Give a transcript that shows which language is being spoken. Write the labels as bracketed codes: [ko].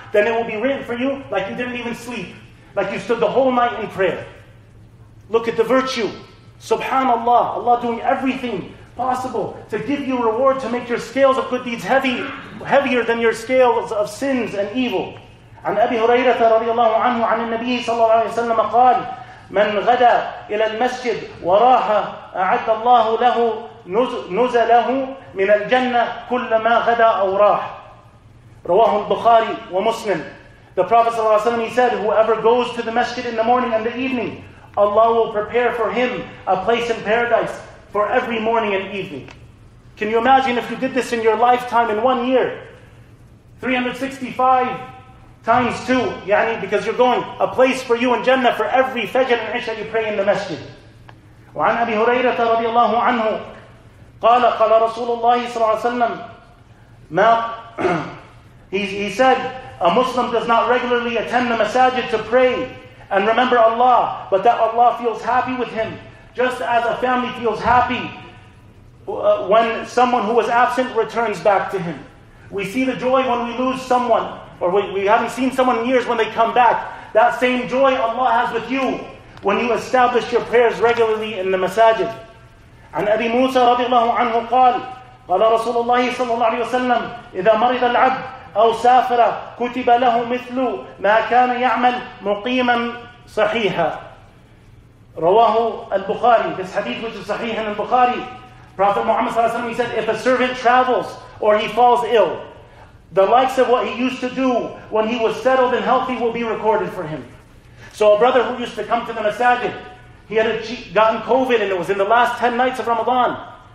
[en] then it will be written for you like you didn't even sleep, like you stood the whole night in prayer. Look at the virtue. Subhanallah, Allah doing everything possible to give you reward, to make your scales of good deeds heavier than your scales of sins and evil. [ar] عن أبي هريرة رضي الله عنه عن النبي صلى الله عليه وسلم قال من غدا إلى المسجد وراح أعد الله له نزله من الجنة كلما غدا أو راح. رواه البخاري ومسلم. [en] The Prophet صلى الله عليه وسلم, he said, whoever goes to the masjid in the morning and the evening, Allah will prepare for him a place in paradise for every morning and evening. Can you imagine if you did this in your lifetime in 1 year? 365 times two, yani, because you're going, a place for you in Jannah for every Fajr and Isha you pray in the masjid. [ar] وعن أبي هريرة رضي الله عنه قال قال رسول الله صلى الله عليه وسلم ما [en] he said, a Muslim does not regularly attend the masajid to pray and remember Allah, but that Allah feels happy with him, just as a family feels happy when someone who was absent returns back to him. We see the joy when we lose someone, or we haven't seen someone in years, when they come back. That same joy Allah has with you when you establish your prayers regularly in the masajid. [ar] عن أبي موسى رضي الله عنه قال قال رسول الله صلى الله عليه وسلم إذا مرض العبد أو سافر كتب له مثل ما كان يعمل مقيما صحيحا. رواه البخاري. [en] This hadith which is sahih in al-Bukhari. Prophet Muhammad صلى الله عليه وسلم, he said, if a servant travels or he falls ill, the likes of what he used to do when he was settled and healthy will be recorded for him. So a brother who used to come to the masajid, he had gotten COVID and it was in the last 10 nights of Ramadan.